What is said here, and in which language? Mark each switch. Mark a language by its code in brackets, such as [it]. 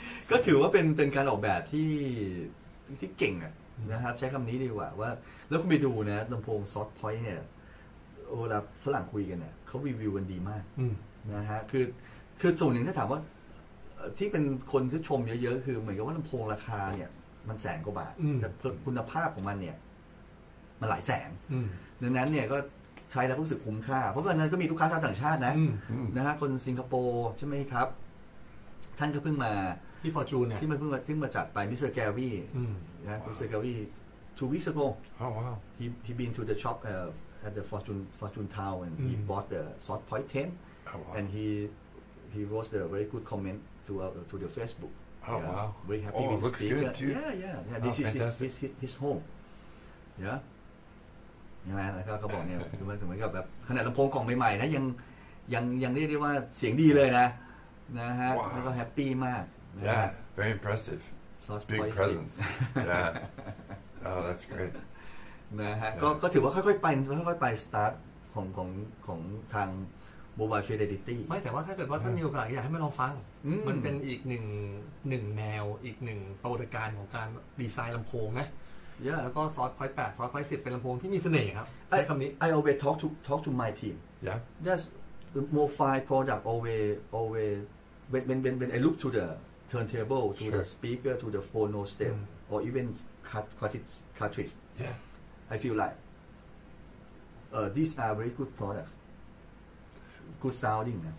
[th] ก็ถือว่าเป็นการออกแบบที่เก่งนะครับใช้คำนี้ดีกว่าว่าแล้วคุณไปดูนะลำโพง Source Point เนี่ยเวลาฝรั่งคุยกันเนี่ยเขารีวิวกันดีมากนะฮะคือส่วนหนึ่งถ้าถามว่าที่เป็นคนที่ชมเยอะๆคือเหมือนกับว่าลำโพงราคาเนี่ยมันแสนกว่าบาทแต่คุณภาพของมันเนี่ยมันหลายแสนดังนั้นเนี่ยก็ใช้แล้วรู้สึกคุ้มค่าเพราะว่านั้นก็มีลูกค้าชาวต่างชาตินะนะฮะคนสิงคโปร์ใช่ไหมครับท่านก็เพิ่งมา ที่ฟอร์จูนเนี่ย ที่มันเพิ่งมาจัดไปมิสเตอร์แกรี่ [en] นะมิสเตอร์แกรี่ two weeks ago he been to the shop at the fortune town and he bought the Source Point 10 and he wrote a very good comment to the Facebook. Oh, yeah. Wow. Very happy with the speaker. Oh, it looks good, too. Yeah. This oh, is his home. Yeah. [th] ใช่ไหมแล้วก็เขาบอกเนี่ยคือว่าเหมือนกับแบบขนาดลำโพงกล่องใหม่ๆนะยังเรียกว่าเสียงดีเลยนะนะฮะแล้วก็แฮปปี้มาก [en] Yeah, very impressive. Source Big presence. Yeah. Oh, that's great. [th] นะฮะก็ถือว่าค่อยๆไปสตาร์ทของทางMobile Fidelity ไม่แต่ว่าถ้าเกิดว่าท่านมีโอกาสอยากให้มาลองฟังมันเป็นอีกหนึ่งแนวอีกหนึ่งปรากฏการณ์ของการดีไซน์ลำโพงนะ [en] yeah. [th] แล้วก็ Source Point 8 Source Point 10เป็นลำโพงที่มีเสน่ห์ครับใช้คำนี้ [en] I always talk to my team yeah yes the mobile product always when I look to the turntable to sure. the speaker to the phono stem or even cartridge yeah I feel like these are very good productsGood sounding.